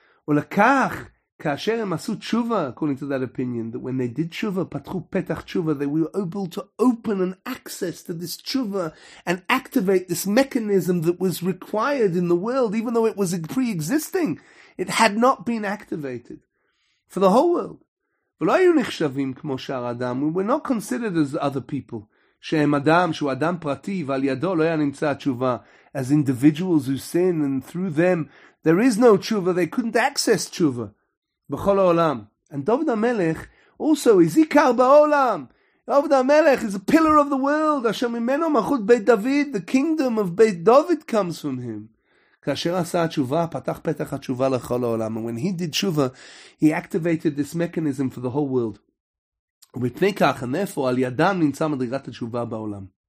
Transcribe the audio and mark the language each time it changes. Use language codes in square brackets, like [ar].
[he] ולכך, כאשר הם עשו תשובה, [en] according to that opinion, that when they did תשובה, [he] פתחו פתח תשובה, [en] they were able to open an access to this תשובה and activate this mechanism that was required in the world, even though it was pre-existing. It had not been activated for the whole world. [he] ולא היו נחשבים כמו שאר אדם. [en] We were not considered as other people. [he] שהם אדם, שהוא אדם פרטי, ועל ידו לא היה נמצא תשובה. [en] As individuals who sin, and through them, there is no תשובה, they couldn't access תשובה. [he] בכל העולם. [en] And דוד המלך also is עיקר בעולם. דוד המלך is a pillar of the world. [he] אשר ממנו מלכות בית דוד. [en] The kingdom of בית דוד comes from him. [he] כאשר עשה התשובה, פתח פתח התשובה לכל העולם. [en] And when he did תשובה, he activated this mechanism for the whole world. [he] ובפני כך, הנפו, על ידם נמצא מדרגת התשובה בעולם.